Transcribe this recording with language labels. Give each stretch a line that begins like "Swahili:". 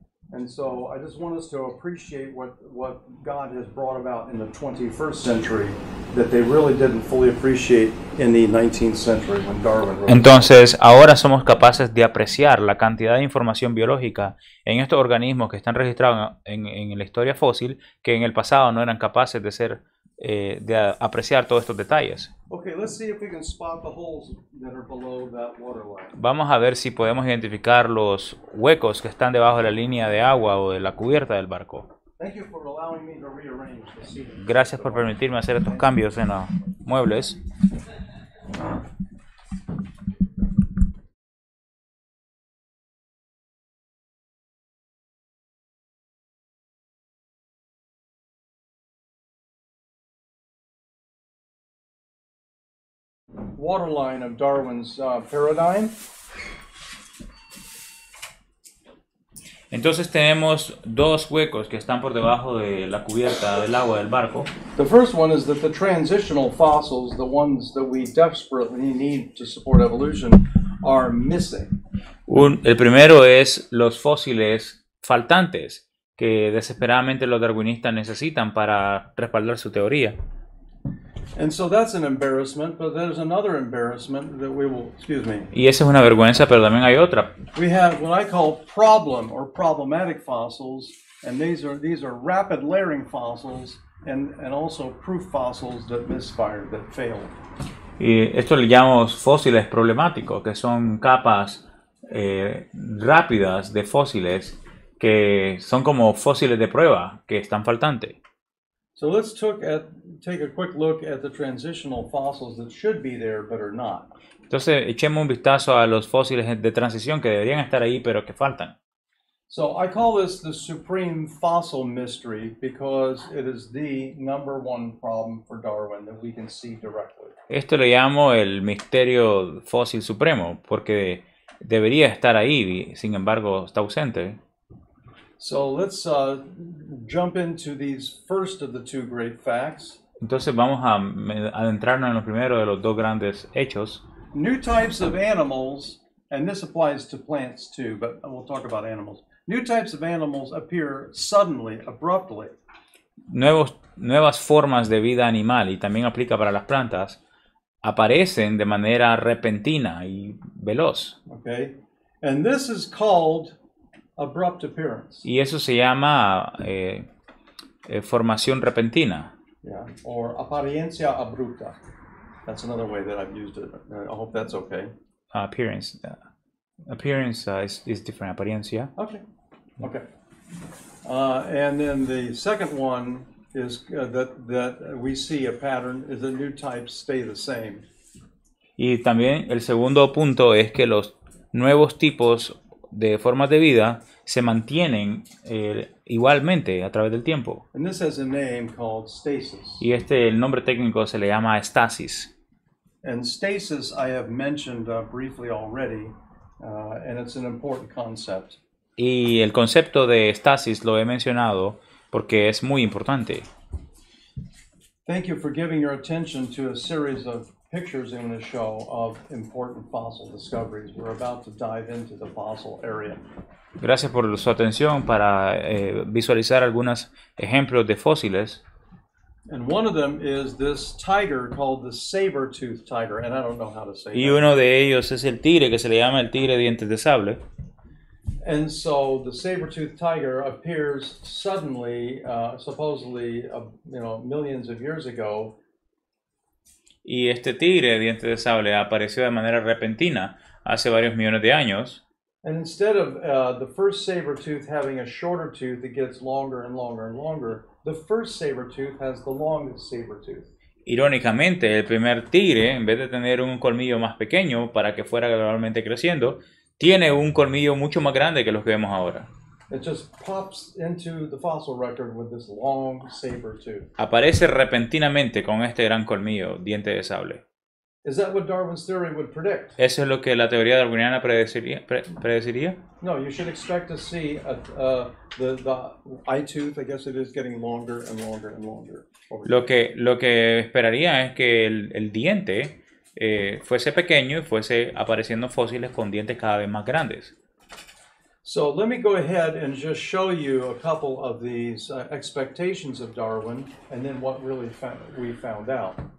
English: And so I just want us to appreciate what God has brought about in the 21st century that they really didn't fully appreciate in the 19th century when Darwin wrote.
Spanish: Entonces, ahora somos capaces de apreciar la cantidad de información biológica en estos organismos que están registrados en la historia fósil, que en el pasado no eran capaces de ser de apreciar todos estos detalles.
English: Okay, let's see if we can spot the holes that are below that water line.
Spanish: Vamos a ver si podemos identificar los huecos que están debajo de la línea de agua o de la cubierta del barco.
English: Thank you for allowing me to rearrange the seating.
Spanish: Gracias por permitirme hacer estos cambios en los muebles.
English: Waterline of Darwin's paradigm.
Spanish: Entonces tenemos dos huecos que están por debajo de la cubierta del agua del barco.
English: The first one is that the transitional fossils, the ones that we desperately need to support evolution, are missing.
Spanish: El primero es los fósiles faltantes que desesperadamente los darwinistas necesitan para respaldar su teoría.
English: And so that's an embarrassment, but there's another embarrassment that we will, excuse me.
Spanish: Y esa es una vergüenza, pero también hay otra.
English: We have what I call problem or problematic fossils, and these are rapid layering fossils and also proof fossils that misfired, that failed.
Spanish: Y esto le llamamos fósiles problemáticos, que son capas rápidas de fósiles que son como fósiles de prueba que están faltantes.
English: So let's take a quick look at the transitional fossils that should be there but are not.
Spanish: Entonces, echemos un vistazo a los fósiles de transición que deberían estar ahí pero que faltan.
English: So I call this the supreme fossil mystery because it is the number one problem for Darwin that we can see directly.
Spanish: Esto lo llamo el misterio fósil supremo porque debería estar ahí, sin embargo, está ausente.
English: So let's jump into these first of the two great facts.
Spanish: Entonces vamos a adentrarnos en lo primero de los dos grandes hechos.
English: New types of animals, and this applies to plants too, but we'll talk about animals. New types of animals appear suddenly, abruptly.
Spanish: Nuevas formas de vida animal, y también aplica para las plantas, aparecen de manera repentina y veloz.
English: Okay, and this is called abrupt appearance.
Spanish: Y eso se llama formación repentina.
English: Yeah, or
Spanish: apariencia abrupta.
English: That's another way that I've used it. I hope that's okay. Appearance is different.
Spanish: Apariencia.
English: Okay. And then the second one is that we see a pattern is the new types stay the same.
Spanish: Y también el segundo punto es que los nuevos tipos de formas de vida se mantienen igualmente a través del tiempo.
English: And this has a name called stasis.
Spanish: Y el nombre técnico se le llama estasis.
English: And stasis I have mentioned briefly already, and it's an important concept.
Spanish: Y el concepto de estasis lo he mencionado porque es muy importante.
English: Thank you for giving your attention to a series of pictures in the show of important fossil discoveries. We're about to dive into the fossil area.
Spanish: Gracias por su atención para visualizar algunos ejemplos de fósiles.
English: And one of them is this tiger called the saber-toothed tiger, and I don't know how to say that.
Spanish: Y uno de ellos es el tigre, que se le llama el tigre dientes de sable.
English: And so the saber-toothed tiger appears suddenly, supposedly, you know, millions of years ago.
Spanish: Y este tigre dientes de sable apareció de manera repentina hace varios millones de años.
English: And instead of the first saber tooth having a shorter tooth that gets longer and longer and longer, the first saber tooth has the longest saber tooth.
Spanish: Irónicamente, el primer tigre, en vez de tener un colmillo más pequeño para que fuera gradualmente creciendo, tiene un colmillo mucho más grande que los que vemos ahora.
English: It just pops into the fossil record with this long saber tooth.
Spanish: Aparece repentinamente con este gran colmillo, diente de sable.
English: Is that what Darwin's theory would predict?
Spanish: ¿Eso es lo que la teoría darwiniana predeciría?
English: No, you should expect to see the eye tooth, I guess it is, getting longer and longer and longer.
Spanish: Lo que esperaría es que el diente fuese pequeño y fuese apareciendo fósiles con dientes cada vez más grandes.
English: So let me go ahead and just show you a couple of these expectations of Darwin and then what really we found out.